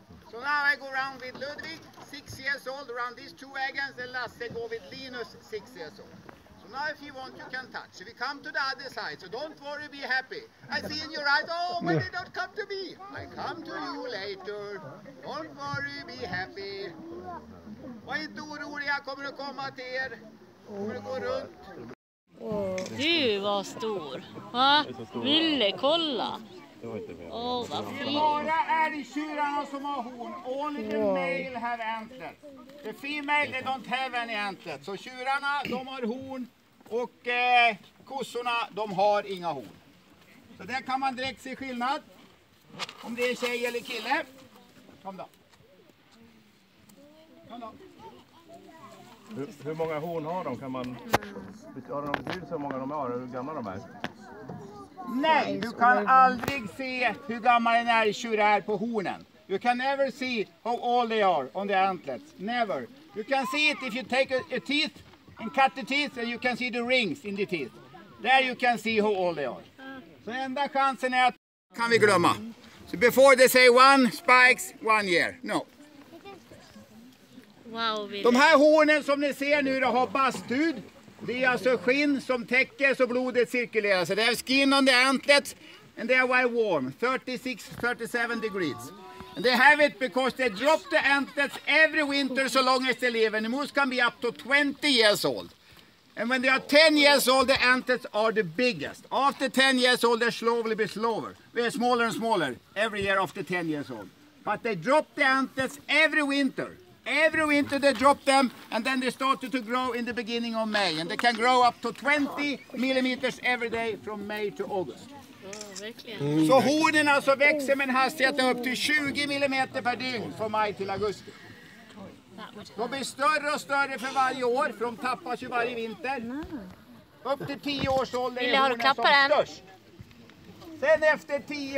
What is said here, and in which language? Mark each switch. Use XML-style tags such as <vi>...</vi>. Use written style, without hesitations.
<en>So now I go round with Ludwig, 6 years old, around these two wagons, and Lasse go with Linus, 6 years old. So now if you want, you can touch. We come to the other side, so don't worry, be happy. I see in your eyes, oh, why did not come to me? I come to you later. Don't worry, be happy.</en> <sv>Var inte oroliga, kommer att komma till er. Kommer att gå runt. Du var stor. Va? Ville, kolla. Åh, vad fint. Det är bara älgtjurarna som har horn.</sv> <en>Only the male have antlers. The female, they don't have any antlers.</en> <sv>Så tjurarna, de har horn. Och kossorna, de har inga horn. Så där kan man direkt se skillnad. Om det är tjej eller kille. Kom då. Hur många horn har de? Kan man, har de någon betydelse hur många de har? Hur gamla de är? Nej, du kan aldrig se hur gammal en älgtjur är på hornen.</sv> <en>You can never see how old they are on the antlers. Never. You can see it if you take a teeth and cut the teeth and you can see the rings in the teeth. There you can see how old they are.</en> <sv>Så enda chansen är att... Kan vi glömma.</sv> <en>So before they say one spikes, 1 year. No. Wow,</en> <sv>de här hornen som ni ser nu då har bastud. Det är alltså skinn som täcker så blodet cirkulerar. Så det är</sv> <en>skin on the antlets. And they are very warm, 36, 37 degrees. And they have it because they drop the antlets every winter so long as they live. And the moose can be up to 20 years old. And when they are 10 years old, the antlets are the biggest. After 10 years old, they slowly be slower. They are smaller and smaller every year after 10 years old. But they drop the antlets every winter. Every winter they drop them, and then they started to grow in the beginning of May. And they can grow up to 20 millimeters every day from May to August.</en> <sv>Så hornen alltså växer med en hastighet upp till 20 mm per dygn från maj till augusti. De blir större och större för varje år, för de tappas ju varje vinter. Upp till 10 års ålder är hornen som den? Störst. Sen efter 10</sv>